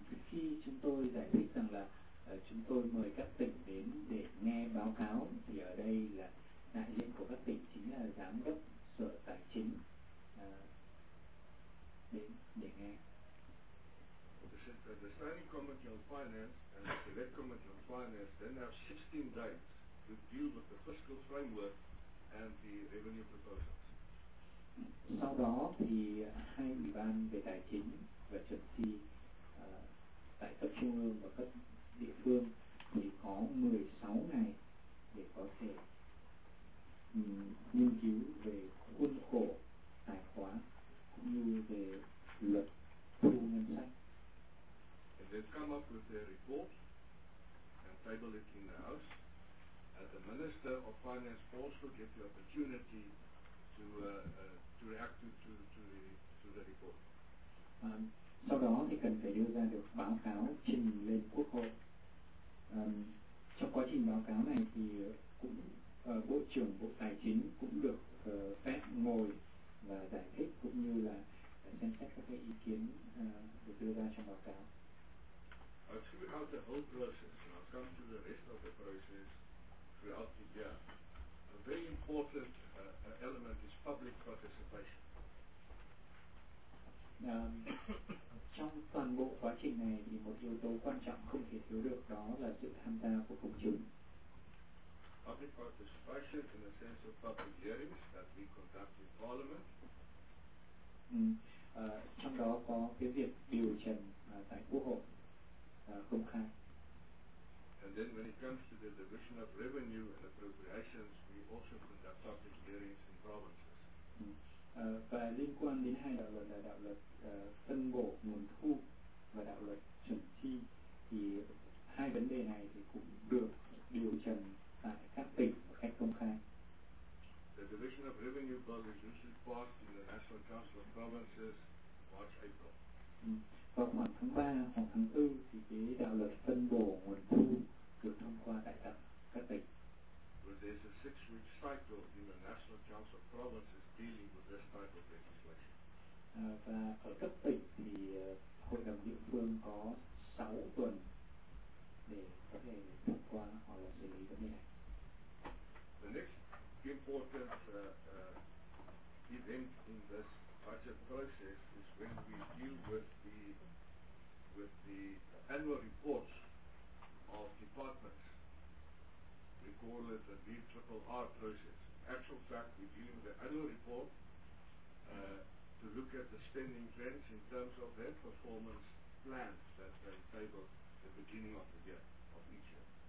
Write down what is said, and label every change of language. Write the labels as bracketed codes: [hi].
[vi] Khi chúng tôi giải thích rằng là chúng tôi mời các tỉnh đến để nghe báo cáo, thì ở đây là đại diện của các tỉnh chính là giám đốc sở tài chính đến để nghe. [en] The standing committee on finance and the select committee on finance then have 16 days to deal with the fiscal framework and the revenue proposal. [vi] Sau đó thì hai ủy ban về tài chính và chuẩn chi tại cấp trung ương và cấp địa phương thì có 16 ngày để có thể nghiên cứu về khuôn khổ tài khoá cũng như về luật thu ngân sách. [en] And they come up with their report and table it in the house. And the Minister of Finance also gets the opportunity to react to the report. [vi] Sau đó thì cần phải đưa ra được báo cáo trình lên Quốc hội. Trong quá trình báo cáo này thì cũng Bộ trưởng Bộ Tài chính cũng được phép ngồi và giải thích cũng như là xem xét các cái ý kiến được đưa ra trong báo cáo. [en] Throughout the whole process, and I'll come to the rest of the process throughout the year. A very important element is public participation. [vi] trong toàn bộ quá trình này thì một yếu tố quan trọng không thể thiếu được đó là sự tham gia của công chúng. [en] Public participation in the sense of public hearings that we conduct in Parliament. [vi] Trong đó có cái việc điều trần tại Quốc hội công khai. [en] And then when it comes to the division of revenue and appropriations, we also conduct public hearings in provinces. [vi] Và liên quan đến hai đạo luật là đạo luật phân bổ nguồn thu và đạo luật chuẩn chi, thì hai vấn đề này thì cũng được điều trần tại các tỉnh một cách công khai. [en] The division of revenue bill is usually passed in the National Council of Provinces March, April. [vi] Vào khoảng tháng 3 hoặc tháng 4 thì cái đạo luật phân bổ nguồn thu được thông qua tại các tỉnh. [en] But there's a six-week cycle in the National Council of Provinces dealing with this type of legislation. [vi] Và ở cấp tỉnh thì hội đồng địa phương có 6 tuần để có thể thông qua hoặc là xử lý vấn đề này. [en] The next important event in this budget process is when we deal with the annual reports of departments. We call it the DRRR process. In actual fact, we deal with the annual report to look at the spending trends in terms of their performance plans that they table at the beginning of the year, of each year.